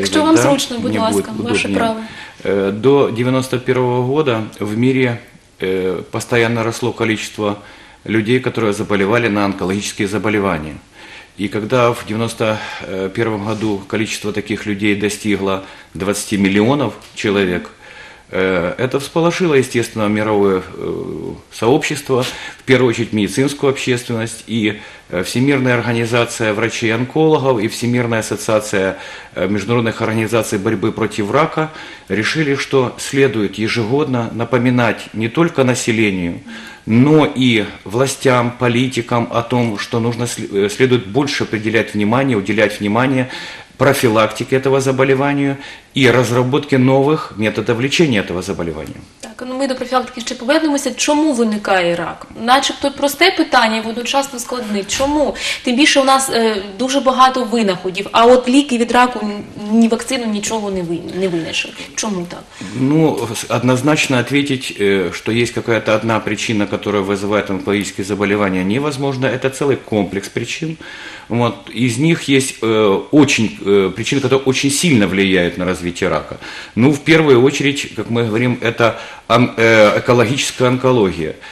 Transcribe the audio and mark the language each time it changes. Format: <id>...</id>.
<uk>Якщо вам зручно, будь ласка, ваше право.</uk> <ru>До 1991 года в мире постоянно росло количество людей, которые заболевали на онкологические заболевания. И когда в 1991 году количество таких людей достигло 20 миллионов человек, это всполошило, естественно, мировое сообщество, в первую очередь медицинскую общественность и Всемирная организация врачей-онкологов и Всемирная ассоциация международных организаций борьбы против рака решили, что следует ежегодно напоминать не только населению, но и властям, политикам о том, что нужно следует больше уделять внимание, профилактике этого заболевания и разработке новых методов лечения этого заболевания. Так, ну мы до профилактики еще повернемся.</ru> <uk>Чому виникає рак? Начебто просте питання, водночасно складне. Чому? Тим більше у нас дуже багато винаходів, а от ліки від раку, ні вакцину, нічого не винайшли. Чому так?</uk> <ru>Ну, однозначно ответить, что есть какая-то одна причина, которая вызывает онкологические заболевания, невозможно. Это целый комплекс причин. Вот. Из них есть причины, которые очень сильно влияют на развитие рака. Ну, в первую очередь, как мы говорим, это экологическая онкология.</ru>